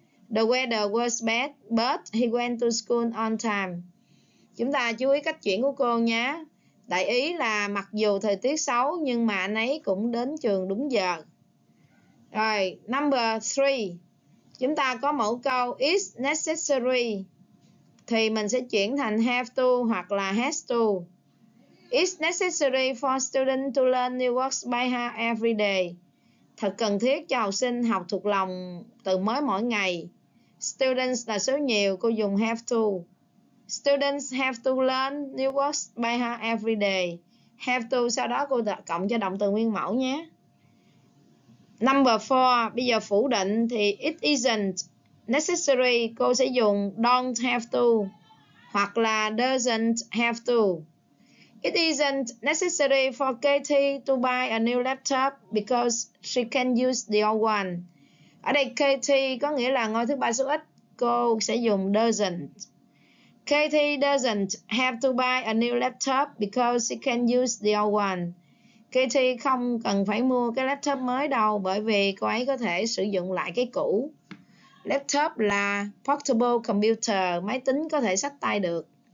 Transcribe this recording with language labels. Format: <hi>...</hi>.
<en>The weather was bad, but he went to school on time.</en> <vi>Chúng ta chú ý cách chuyển của cô nhé. Đại ý là mặc dù thời tiết xấu nhưng mà anh ấy cũng đến trường đúng giờ. Rồi,</vi> <en>number three.</en> <vi>Chúng ta có mẫu câu is necessary. Thì mình sẽ chuyển thành</vi> <en>have to hoặc là has to. It's necessary for students to learn new words by heart every day.</en> <vi>Thật cần thiết cho học sinh học thuộc lòng từ mới mỗi ngày.</vi> <en>Students</en> <vi>là số nhiều, cô dùng</vi> <en>have to. Students have to learn new words by heart every day.</en> <vi>Have to, sau đó cô cộng cho động từ nguyên mẫu nhé.</vi> <en>Number four,</en> <vi>bây giờ phủ định thì</vi> <en>it isn't necessary.</en> <vi>Cô sẽ dùng don't have to hoặc là doesn't have to.</vi> <en>It isn't necessary for Katie to buy a new laptop because she can use the old one.</en> <vi>Ở đây Katie có nghĩa là ngôi thứ ba số ít. Cô sẽ dùng doesn't.</vi> <en>Katie doesn't have to buy a new laptop because she can use the old one.</en> <vi>Katie không cần phải mua cái laptop mới đâu, bởi vì cô ấy có thể sử dụng lại cái cũ. Laptop là portable computer, máy tính có thể xách tay được.</vi>